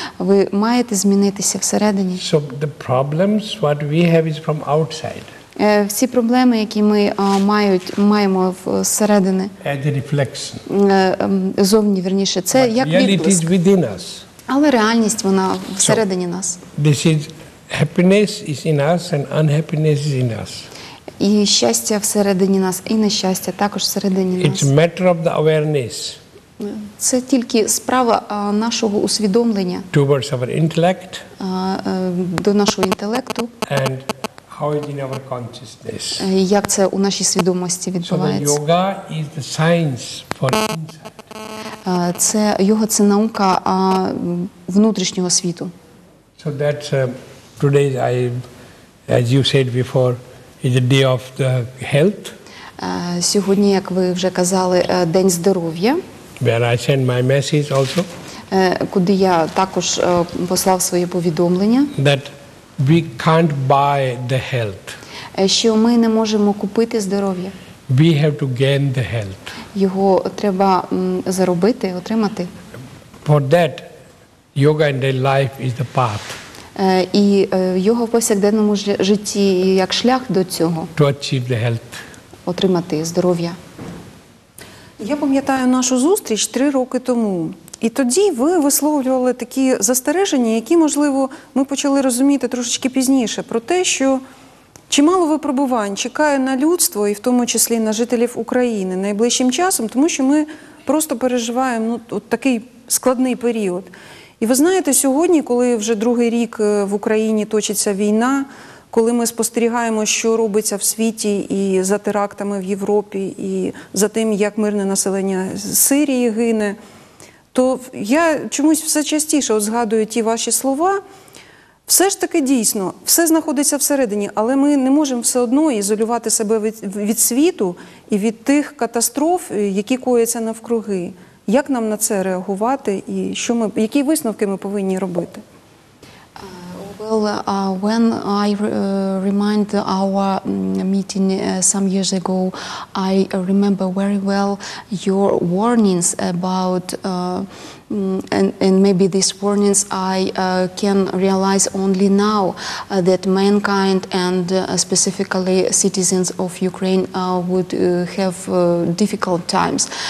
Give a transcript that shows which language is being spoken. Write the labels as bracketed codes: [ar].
[uk] Ви маєте змінитися всередині. [en] So the problems what we have is from outside. [uk] Всі проблеми, які ми маємо всередини. [en] And the reflection. [uk] Зовні, вірніше, це [en] but [uk] як відблиск. [en] Reality is within us. [uk] Але реальність вона всередині [en] so, [uk] нас. [en] This is happiness is in us and unhappiness is in us. [uk] І щастя всередині нас, і нещастя також всередині нас. [en] It's matter of the awareness. [uk] Це тільки справа нашого усвідомлення. [en] Towards our intellect. [uk] До нашого інтелекту. [en] And how is in our consciousness. [uk] Як це у нашій свідомості відбувається. [en] So the yoga is the science for inside. [uk] Це йога – це наука внутрішнього світу. [en] So that's today, as you said before, is the day of the health. [uk] Сьогодні, як ви вже казали, день здоров'я. [en] Where I send my message also. [uk] Куди я також послав своє повідомлення. [en] That we can't buy the health. [uk] Що ми не можемо купити здоров'я. [en] We have to gain the health. [uk] Його треба заробити, отримати. [en] For that, yoga and daily life is the path. [uk] І йога в повсякденному житті як шлях до цього. [en] To achieve the health. [uk] Отримати здоров'я. Я пам'ятаю нашу зустріч 3 роки тому. І тоді ви висловлювали такі застереження, які, можливо, ми почали розуміти трошечки пізніше, про те, що чимало випробувань чекає на людство, і в тому числі на жителів України, найближчим часом, тому що ми просто переживаємо от такий складний період. І ви знаєте, сьогодні, коли вже 2-й рік в Україні точиться війна, коли ми спостерігаємо, що робиться в світі і за терактами в Європі, і за тим, як мирне населення Сирії гине, то я чомусь все частіше згадую ті ваші слова. Все ж таки дійсно, все знаходиться всередині, але ми не можемо все одно ізолювати себе від світу і від тих катастроф, які кояться навкруги. Як нам на це реагувати і які висновки ми повинні робити? Ви [en] Well, when I remind our meeting some years ago, I remember very well your warnings about and maybe these warnings I can realize only now that mankind and specifically citizens of Ukraine would have difficult times.